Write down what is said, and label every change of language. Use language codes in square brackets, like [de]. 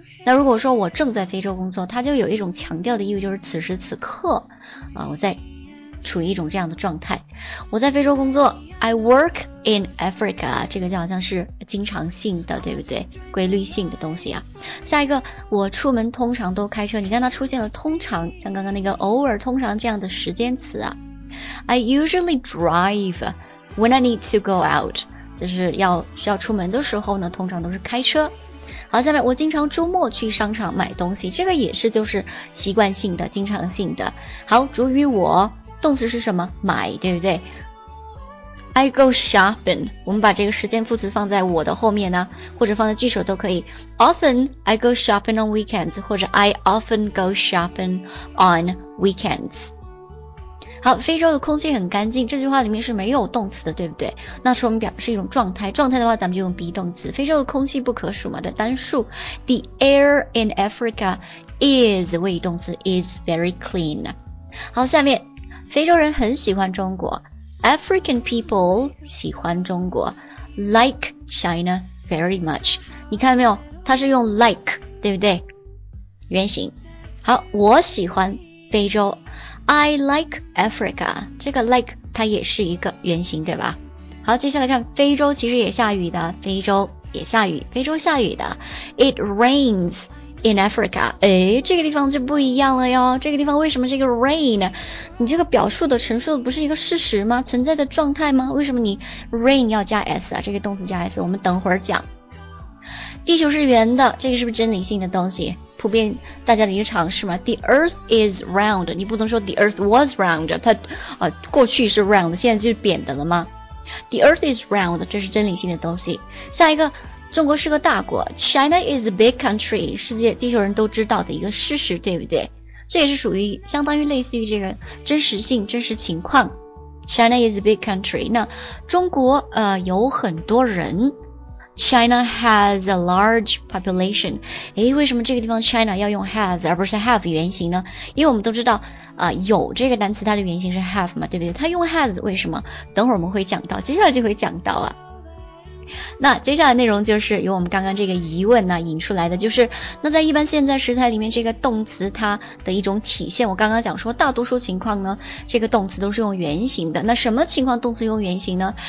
[zh] 那如果说我正在非洲工作，它就有一种强调的意味，就是此时此刻啊我在处于一种这样的状态。我在非洲工作， [en] I work in Africa， [zh] 这个就好像是经常性的，对不对？规律性的东西啊。下一个，我出门通常都开车，你看它出现了通常，像刚刚那个偶尔通常这样的时间词啊。 [en] I usually drive when I need to go out， [zh] 就是要需要出门的时候呢，通常都是开车。好，下面我经常周末去商场买东西，这个也是就是习惯性的、经常性的。好，主语我，动词是什么？买，对不对？ [en] I go shopping， [zh] 我们把这个时间副词放在我的后面呢，或者放在句首都可以。 [en] Often I go shopping on weekends， [zh] 或者 [en] I often go shopping on weekends。 [zh] 好，非洲的空气很干净，这句话里面是没有动词的，对不对？那说明表示一种状态，状态的话咱们就用 be 动词，非洲的空气不可数嘛，对，单数。 [en] The air in Africa is [zh] 谓语动词， [en] is very clean。 [zh] 好，下面非洲人很喜欢中国， [en] African people [zh] 喜欢中国， [en] like China very much， [zh] 你看到没有，它是用 like， 对不对？原型。好，我喜欢非洲， [en] I like Africa， [zh] 这个 like 它也是一个原型，对吧？好，接下来看非洲其实也下雨的，非洲也下雨，非洲下雨的， [en] It rainsIn Africa， [zh] 诶，这个地方就不一样了哟。这个地方为什么这个 rain， 你这个表述的陈述的不是一个事实吗？存在的状态吗？为什么你 rain 要加 s 啊？这个动词加 s， 我们等会儿讲。地球是圆的，这个是不是真理性的东西？普遍大家的一个常识嘛。 [en] The Earth is round， [zh] 你不能说 [en] The Earth was round， [zh] 它过去是 [en] round， [zh] 现在就是扁的了吗？ [en] The earth is round， [zh] 这是真理性的东西。下一个，中国是个大国， [en] China is a big country， [zh] 世界地球人都知道的一个事实，对不对？这也是属于相当于类似于这个真实性真实情况。 [en] China is a big country， [zh] 那中国有很多人。 [en] China has a large population， [zh] 诶，为什么这个地方 China 要用 has 而不是 have 原型呢？因为我们都知道有这个单词它的原型是 have 嘛，对不对？它用 has 为什么？等会儿我们会讲到，接下来就会讲到啊。那接下来内容就是由我们刚刚这个疑问呢引出来的，就是那在一般现在时态里面，这个动词它的一种体现，我刚刚讲说大多数情况呢这个动词都是用原形的，那什么情况动词用原形呢？